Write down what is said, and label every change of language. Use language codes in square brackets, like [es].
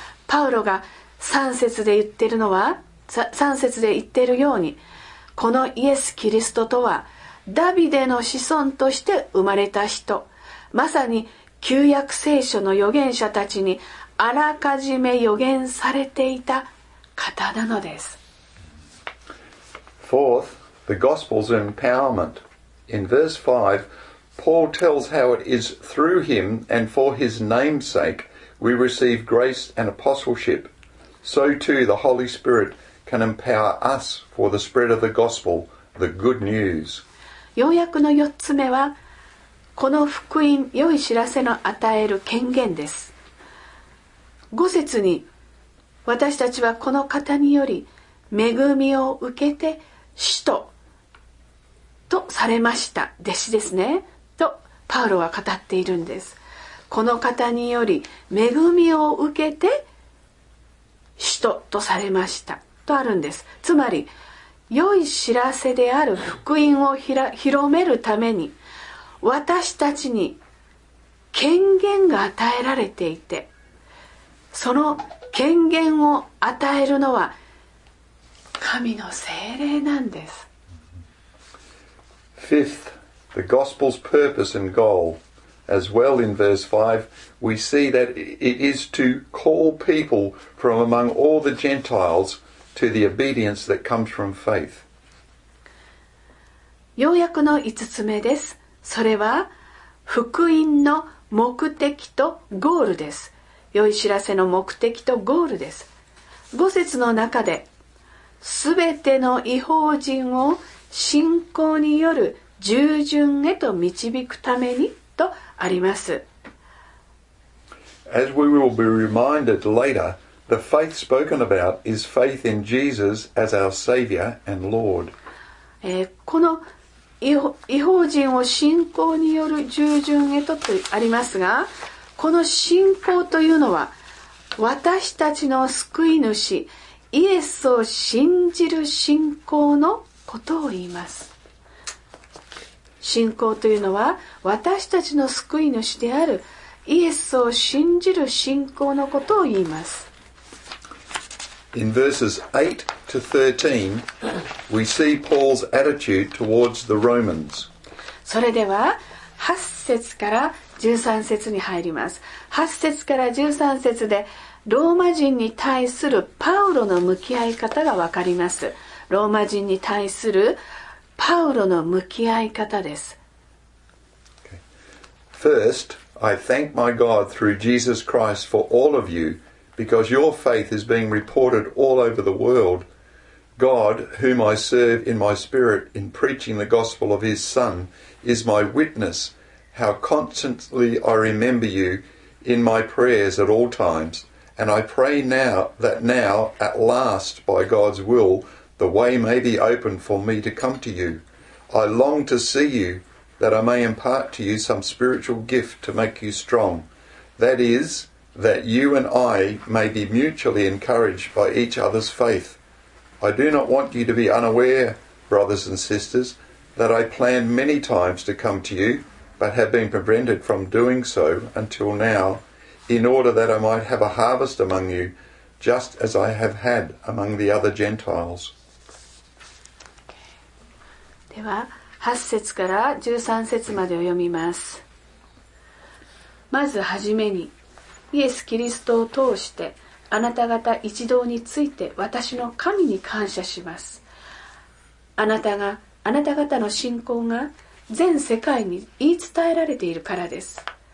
[ja] パウロが3節で言っているのは、3節で言っているように、このイエス・キリストとはダビデの子孫として生まれた人、まさに旧約聖書の預言者たちにあらかじめ預言されていた方なのです。 [en] Fourth, the gospel's empowerment. In verse 5,Paul tells how it is through him and for his name's sake we receive grace and apostleship. So too the Holy Spirit can empower us for the spread of the gospel, the good news. [ja] 要約の4つ目は、この福音、良い知らせの与える権限です。五節に、私たちはこの方により恵みを受けて使徒とされました弟子ですねとパウロは語っているんです。この方により恵みを受けて使徒とされましたとあるんです。つまり良い知らせである福音を広めるために私たちに権限が与えられていて、その権限を与えるのは神の聖霊なんです。 [en] Fifth, the gospel's purpose and goal. As well in verse 5, we see that it is to call people from among all the Gentiles to the obedience that comes from faith. [ja] 要約の5つ目です。それは福音の目的とゴールです。良い知らせの目的とゴールです。五節の中で、すべての異邦人を信仰による従順へと導くためにとあります。 [en] As we will be reminded later, the faith spoken about is faith in Jesus as our Savior and Lord. [ja] この異邦人を信仰による従順へとありますが、この信仰というのは私たちの救い主イエスを信じる信仰のことを言います。信仰というのは私たちの救い主であるイエスを信じる信仰のことを言います。 [en] In verses 8 to 13 we see Paul's attitude towards the Romans. [ja] それでは8節から13節に入ります。 8節から13節でローマ人に対するパウロの向き合い方がわかります。ローマ人に対するパウロの向き合い方です。 [en] First, I thank my God through Jesus Christ for all of you, because your faith is being reported all over the world. God, whom I serve in my spirit in preaching the gospel of his Son, is my witness how constantly I remember you in my prayers at all times. And I pray now that now, at last, by God's will, the way may be opened for me to come to you. I long to see you, that I may impart to you some spiritual gift to make you strong. That is, that you and I may be mutually encouraged by each other's faith. I do not want you to be unaware, brothers and sisters, that I planned many times to come to you, but have been prevented from doing so until now. In order that I might have a harvest among you, just as I have had among the other Gentiles. [ja] では、8節から13節までを読みます。まずはじめに、イエス・キリストを通して、あなた方一同について私の神に感謝します。あなた方の信仰が全世界に言い伝えられているからです。